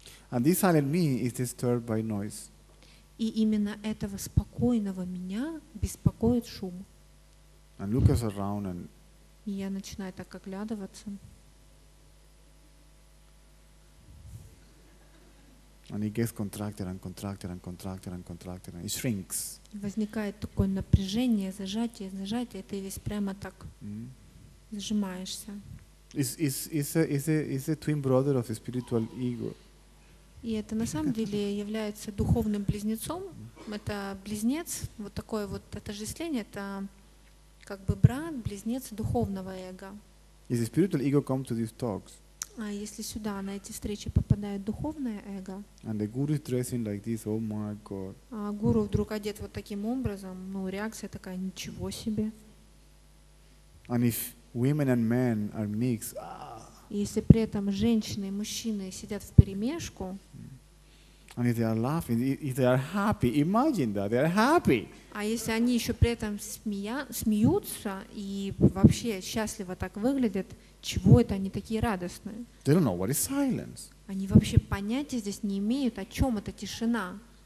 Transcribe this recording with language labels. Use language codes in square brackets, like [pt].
[en] And this silent me is disturbed by noise. [ru] И именно этого спокойного меня беспокоит шум. [en] And look us around and [ru] и я начинаю так оглядываться. [en] And it gets contracted and contracted and contracted and contracted and it shrinks. [ru] Возникает такое напряжение, зажатие, зажатие, ты весь прямо так сжимаешься. [en] It's a twin brother of the spiritual ego. [ru] И это на самом деле является духовным близнецом. Это близнец, вот такое вот отождествление, это как бы брат, близнец духовного эго. [en] Is the spiritual ego come to these talks? [ru] А если сюда на эти встречи попадает духовное эго? [en] And the guru is dressing like this, oh my God. [ru] А гуру вдруг одет вот таким образом, ну реакция такая, ничего себе. [en] And if women and men are mixed, [ru] И если при этом женщины и мужчины сидят вперемешку. [en] And if they are laughing, if they are happy, imagine that, they are happy. [ru] А если они еще при этом смеются и вообще счастливо так выглядят, чего это они такие радостные? [en] They don't know what is silence. [ru] Они вообще понятия здесь не имеют, о чем эта тишина.